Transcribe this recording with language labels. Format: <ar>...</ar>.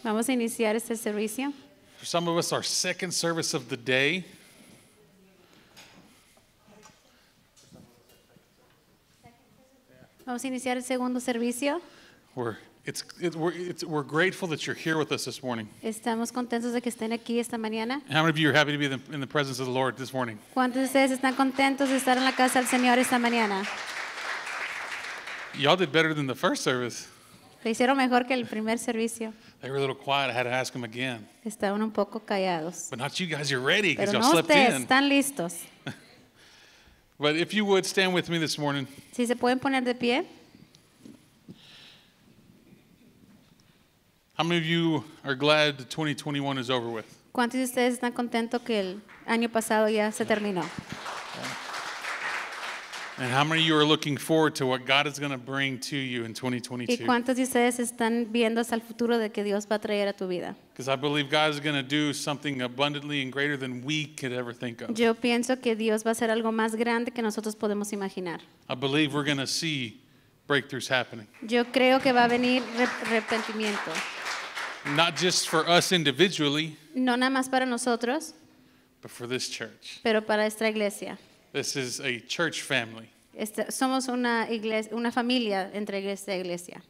<es>Vamos a iniciar este servicio.</es> <en>For some of us, our second service of the day.</en> <es>Vamos a iniciar el segundo servicio.</es> <en>We're grateful that you're here with us this morning.</en> <es>Estamos contentos de que estén aquí esta mañana.</es> <en>How many of you are happy to be in the presence of the Lord this morning?</en> <es>¿Cuántos de ustedes están contentos de estar en la casa del Señor esta mañana?</es> <en>Y'all did better than the first service.</en> <es>Le hicieron mejor que el primer servicio.</es> <en>They were a little quiet. I had to ask them again.</en> <es>Estaban un poco callados.</es> <en>But not you guys. You're ready because y'all slept</en> <es>ustedes,</es> <en>in.</en> <es>Pero no están listos.</es> <en>But if you would stand with me this morning.</en> <es>Si se pueden poner de pie.</es> <en>How many of you are glad 2021 is over with?</en> <es>¿Cuántos de ustedes están contentos que el año pasado ya se terminó?</es> <en>And how many of you are looking forward to what God is going to bring to you in 2022?</en> <es>¿Y cuántos de ustedes están viendo hasta el futuro de que Dios va a traer a tu vida?</es> <en>Because I believe God is going to do something abundantly and greater than we could ever think of.</en> <es>Yo pienso que Dios va a hacer algo más grande que nosotros podemos imaginar.</es> <en>I believe we're going to see breakthroughs happening.</en> <es>Yo creo que va a venir arrepentimiento.</es> <en>Not just for us individually,</en> <es>no nada más para nosotros,</es> <en>but for this church.</en> <es>Pero para esta iglesia.</es> <en>This is a church family.</en> <es>Somos una familia entre esta iglesia.</es>